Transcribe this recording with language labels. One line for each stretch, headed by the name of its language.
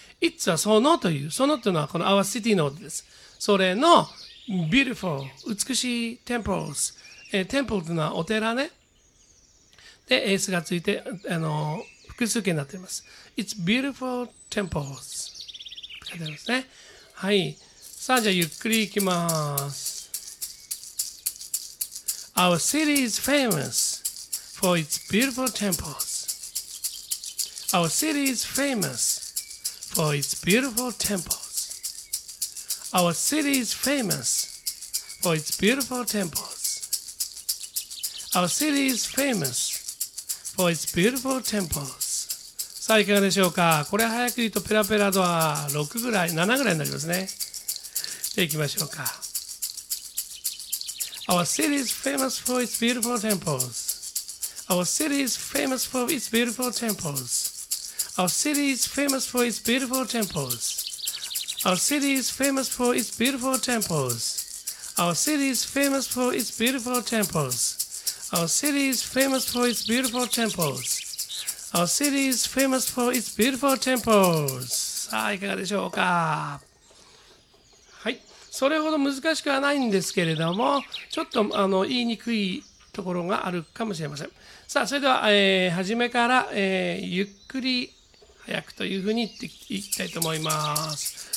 Japanese: It's はそのという、そのというのはこの our city の音です。それの beautiful 美しい temples、temple というのはお寺ね。で、S がついて、あの、複数形になっています。
English: It's beautiful temples.
Japanese: って書いてありますね。はい。さあ、じゃあ、ゆっくり行きます。
English: Our city is famous for its beautiful temples. Our city is famous for its beautiful temples. Our city is famous for its beautiful temples. Our city is famous for its beautiful temples.
Japanese: さあ、いかがでしょうか。これ早く言うとペラペラドア6ぐらい、7ぐらいになりますね。じゃあ行きましょうか。
English: Our city is famous for its beautiful temples. Our city is famous for its beautiful temples. Our city is famous for its beautiful temples. Our city is famous for its beautiful temples. Our city is famous for its beautiful temples. Our city is famous for its beautiful temples. Our city is famous for its beautiful temples.
Japanese: さあ、いかがでしょうか。それほど難しくはないんですけれども、ちょっとあの言いにくいところがあるかもしれません。さあ、それでは、初めから、ゆっくり早くというふうに言っていきたいと思います。